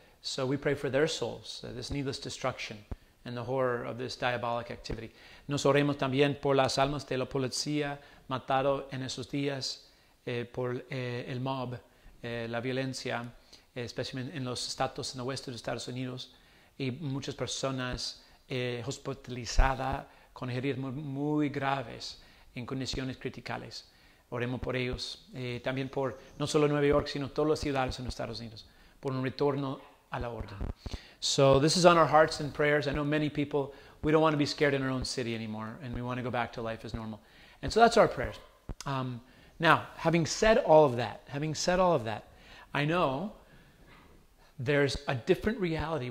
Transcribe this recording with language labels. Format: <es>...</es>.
<en>So we pray for their souls, this needless destruction and the horror of this diabolic activity.</en> <es>Nos oremos también por las almas de la policía matado en esos días, por el mob, la violencia, especialmente en los estados en el oeste de Estados Unidos, y muchas personas hospitalizadas con heridas muy, muy graves en condiciones criticales. Oremos por ellos, también por no solo Nueva York, sino todas las ciudades en los Estados Unidos, por un retorno a la orden.</es> <en>So this is on our hearts and prayers. I know many people, we don't want to be scared in our own city anymore, and we want to go back to life as normal. And so that's our prayers. Now, having said all of that, I know there's a different reality.</en>